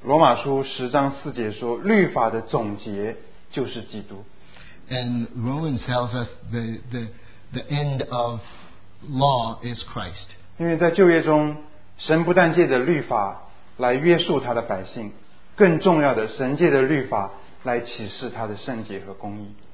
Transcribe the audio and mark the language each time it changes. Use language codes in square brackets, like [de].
[zh] 罗马书十章四节说，律法的总结就是基督。 [en] And Romans tells us the end of law is Christ. [zh] 因为在旧约中。神不但借着律法来约束他的百姓，更重要的，神借着律法来启示他的圣洁和公义。